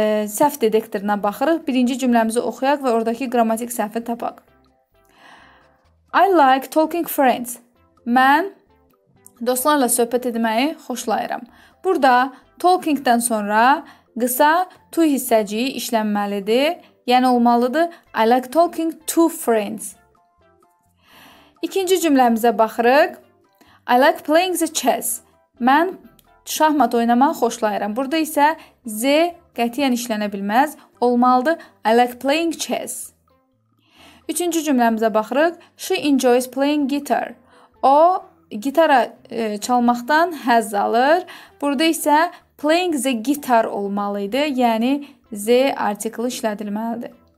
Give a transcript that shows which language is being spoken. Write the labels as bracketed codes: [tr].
[az] Səhv detektoruna baxırıq. Birinci cümləmizi oxuyaq və oradakı qrammatik səhvi tapaq. [en] I like talking friends. [az] Mən dostlarla söhbət etməyi xoşlayıram. Burada talking-dən sonra qısa to hissəciyi işlənməlidir. Yəni olmalıdır. [en] I like talking to friends. [az] İkinci cümləmizə baxırıq. [en] I like playing the chess. [az] Mən şahmat oynamağı xoşlayıram. Burada isə z qətiyyən işlənə bilməz. Olmalıdır. [en] I like playing chess. [az] Üçüncü cümləmizə baxırıq. [en] She enjoys playing guitar. [az] O, gitara çalmaqdan həzz alır. Burada isə [en] playing the guitar [az] olmalıydı. Yəni, z artikli işlədilməlidir.